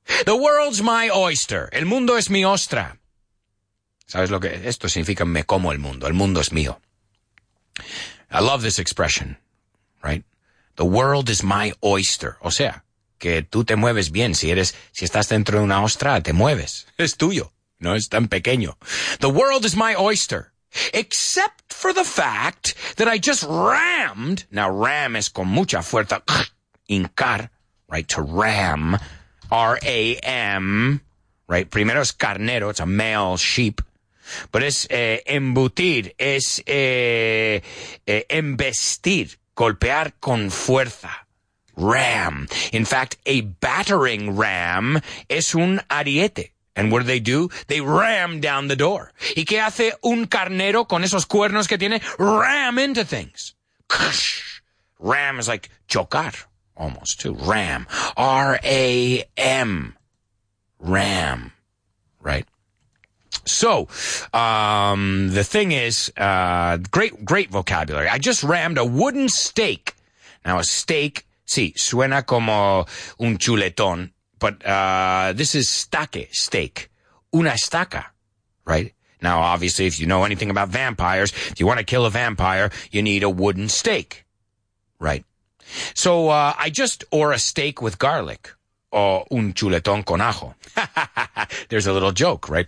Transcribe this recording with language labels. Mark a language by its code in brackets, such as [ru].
[es] The world's my oyster. El mundo es mi ostra. ¿Sabes lo que esto significa? Me como el mundo. El mundo es mío. [en] I love this expression, right? The world is my oyster. [es] O sea, que tú te mueves bien. Si estás dentro de una ostra, te mueves. Es tuyo. No es tan pequeño. The world is my oyster. [en] Except for the fact that I just rammed. [es] Now, ram es con mucha fuerza. Hincar, right? To ram. R-A-M, right? Primero es carnero. [en] It's a male sheep. But es embutir. [es] Es embestir. [en] Golpear con fuerza. Ram. In fact, a battering ram es un ariete. And what do? They ram down the door. [es] ¿Y qué hace un carnero con esos cuernos que tiene? [en] Ram into things. Ksh. Ram is like chocar, almost, too. Ram. R-A-M. Ram. Right? So, the thing is, great, great vocabulary. I just rammed a wooden stake. [es] Now, a stake, sí, suena como un chuletón. [en] But this is stake, stake, una estaca, right? Now, obviously, if you know anything about vampires, if you want to kill a vampire, you need a wooden stake, right? So I just, or a steak with garlic, or un chuletón con ajo. There's a little joke, right?